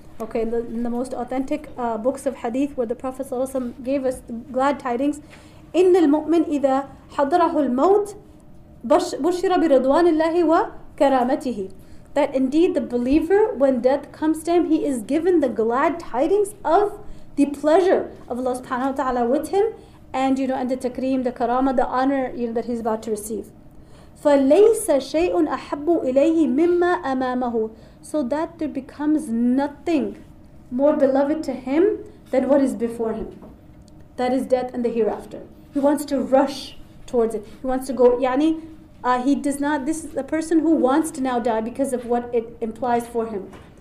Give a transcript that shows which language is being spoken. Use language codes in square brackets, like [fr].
[en] Okay, in the most authentic books of hadith, where the Prophet sallallahu alaihi wasallam gave us glad tidings, [ar] إن المؤمن إذا حضره الموت بشر برضوان الله وكرامته. [en] That indeed the believer, when death comes to him, he is given the glad tidings of the pleasure of Allah subhanahu wa ta'ala with him, and you know, and the takrim, the karama, the honor, you know, that he's about to receive. [ar] فليس شيء أحب إليه مما أمامه. [en] So that there becomes nothing more beloved to him than what is before him. That is death and the hereafter. He wants to rush towards it. He wants to go, yani, he does not, this is the person who wants to now die because of what it implies for him.